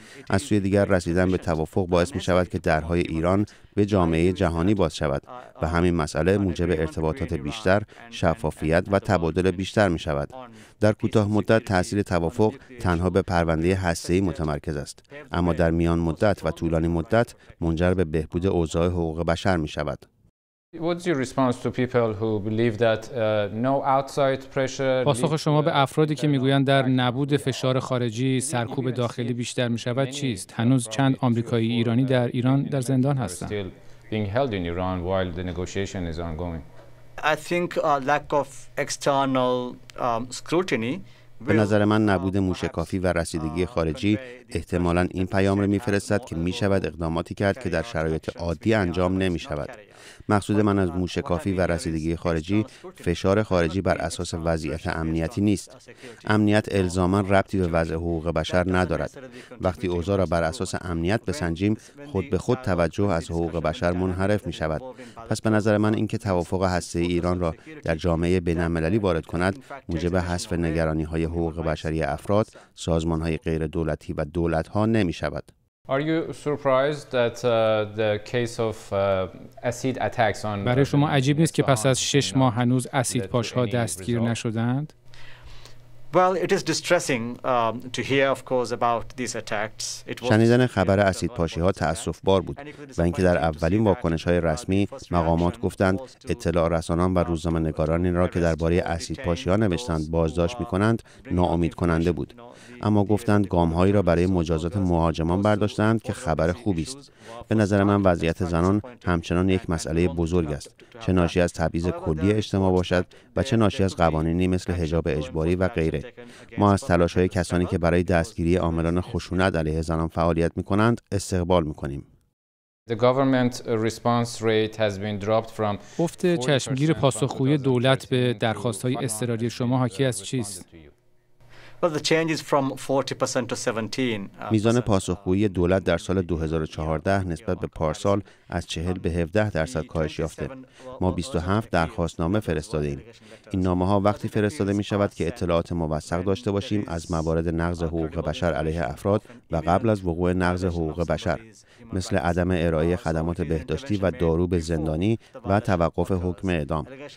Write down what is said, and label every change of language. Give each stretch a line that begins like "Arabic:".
Persian: از سوی دیگر رسیدن به توافق باعث می شود که درهای ایران به جامعه جهانی باز شود و همین مسئله موجب ارتباطات بیشتر، شفافیت و تبادل بیشتر می شود. در کوتاه مدت تأثیر توافق تنها به پرونده هسته‌ای متمرکز است، اما در میان مدت و طولانی مدت منجر به بهبود اوضاع حقوق بشر می شود.
English: What's your response to people who believe that no outside pressure
Persian: پاسخ شما به افرادی که میگویند در نبود فشار خارجی سرکوب داخلی بیشتر میشود چیست؟ هنوز چند آمریکایی ایرانی در ایران در زندان هستند.
English: Still being held in Iran while the negotiation is ongoing. I think a lack of external scrutiny
Persian: به نظر من نبود موشکافی و رسیدگی خارجی احتمالاً این پیام را می‌فرستد که می‌شود اقداماتی کرد که در شرایط عادی انجام نمی‌شود. مقصود من از موشکافی و رسیدگی خارجی فشار خارجی بر اساس وضعیت امنیتی نیست. امنیت الزاماً ربطی به وضع حقوق بشر ندارد. وقتی اوضاع را بر اساس امنیت بسنجیم، خود به خود توجه از حقوق بشر منحرف می‌شود. پس به نظر من اینکه توافق هسته‌ای ایران را در جامعه بین‌المللی وارد کند، موجب حذف نگرانی‌های حقوق بشری افراد، سازمان‌های غیر دولتی و دولت‌ها نمی‌شود.
English: Are you surprised that the case of acid attacks on
Persian: برای شما عجیب نیست که پس از 6 ماه هنوز اسید پاش‌ها دستگیر نشدند؟
English: Well, it is distressing to hear, of course, about these attacks.
Persian: شنیدن خبر اسیدپاشی‌ها تأسف‌بار بود و اینکه در اولین واکنش‌های رسمی مقامات گفتند اطلاع رسانان و روزنامه‌نگاران را که درباره اسیدپاشی‌ها نوشتند بازداشت می‌کنند، ناامیدکننده بود. اما گفتند گام‌هایی را برای مجازات مهاجمان برداشتند که خبر خوبی است. به نظر من وضعیت زنان همچنان یک مسئله بزرگ است، چه ناشی از تبعیض کلی اجتماع باشد و چه ناشی از قوانینی مثل حجاب اجباری و غیره. ما از تلاش‌های کسانی که برای دستگیری عاملان خشونت علیه زنان فعالیت می‌کنند استقبال می‌کنیم.
English: The government response rate has been dropped from
Persian: افت چشمگیر پاسخگویی دولت به درخواست‌های اضطراری شما حاکی از چیست؟
English: But the change is from 40% to 17%.
Persian: میزان پاسخگویی دولت در سال 2014 نسبت به پارسال از 40 به 17% کاهش یافته. ما 27 درخواست نامه فرستادیم. این نامه ها وقتی فرستاده می شود که اطلاعات موثق داشته باشیم از موارد نقض حقوق بشر علیه افراد و قبل از وقوع نقض حقوق بشر، مثل عدم ارائه خدمات بهداشتی و دارو به زندانی و توقف حکم اعدام.